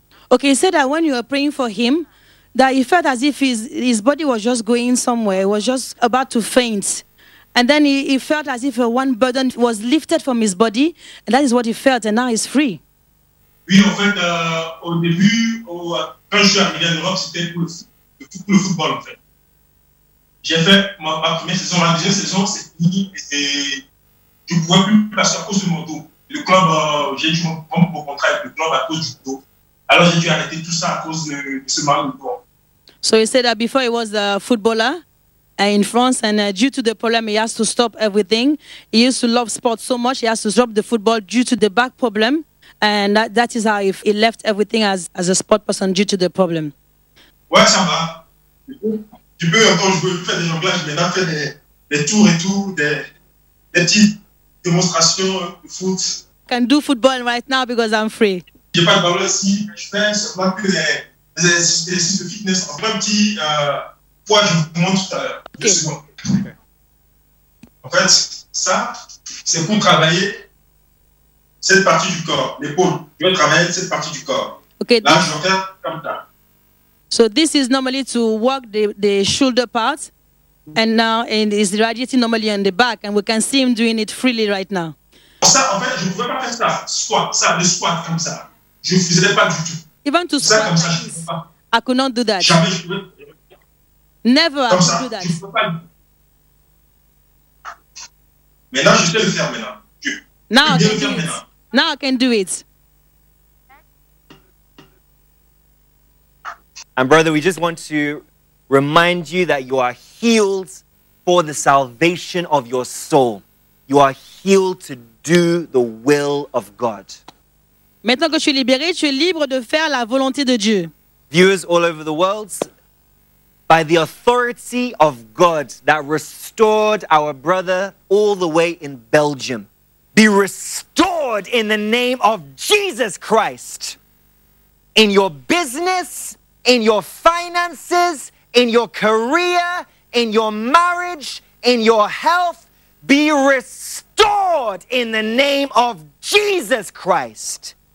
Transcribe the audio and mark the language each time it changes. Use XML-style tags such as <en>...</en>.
<en>Ok, you said that when you were praying for him, that he felt as if his body was just going somewhere, was just about to faint. And then he felt as if one burden was lifted from his body, and that is what he felt, and now he's free.</en> <fr>Oui, en fait, au début, quand je suis arrivé en Europe, c'était pour le football, en fait. J'ai fait ma première saison, ma deuxième saison, c'est fini, et je ne pouvais plus passer à cause de mon dos. Le club, j'ai dû prendre mon contrat avec le club à cause du dos. Alors j'ai dû arrêter tout ça à cause de ce mal au corps.</fr> <en>So you said that before he was a footballer in France, and due to the problem he has to stop everything. He used to love sports so much he has to drop the football due to the back problem, and that is how he left everything as a sport person due to the problem.</en> <fr>Ouais, ça va. Tu peux encore jouer, faire des jonglages, maintenant faire des tours et tout, des petites démonstrations de foot.</fr> <en>I can do football right now because I'm free.</en> <fr>J'ai pas de ballon ici, mais je fais seulement que des exercices de fitness. En plein petit poids, je vous montre tout à l'heure. Deux secondes. Okay. En fait, ça, c'est pour travailler cette partie du corps, l'épaule. Je vais travailler cette partie du corps. Okay. Là, je regarde comme ça.</fr> <en>So this is normally to work the shoulder part, and now it is radiating normally on the back, and we can see him doing it freely right now.</en> <fr>Ça, en fait, je ne pouvais pas faire ça. Squat, ça, le squat comme ça. Je ne faisais pas du tout.</fr> <en>Even to</en> <fr>ça, comme ça, je ne pouvais pas.</fr> <en>I could not do that.</en> <fr>Jamais, je pouvais.</fr> <en>Never</en> <fr>comme</fr> <en>I</en> <fr>ça,</fr> <en>could do that.</en> <fr>Je ne pouvais pas. Maintenant, je sais le faire maintenant.</fr> <en>Now, I can do it.</en> <fr>Maintenant.</fr> <en>Now, I can do it. And brother, we just want to remind you that you are healed for the salvation of your soul. You are healed to do the will of God.</en> <fr>Maintenant que je suis libéré, tu es libre de faire la volonté de Dieu.</fr> <en>Viewers all over the world, by the authority of God that restored our brother all the way in Belgium, be restored in the name of Jesus Christ. In your business, in your finances, in your career, in your marriage, in your health, be restored in the name of Jesus Christ.</en>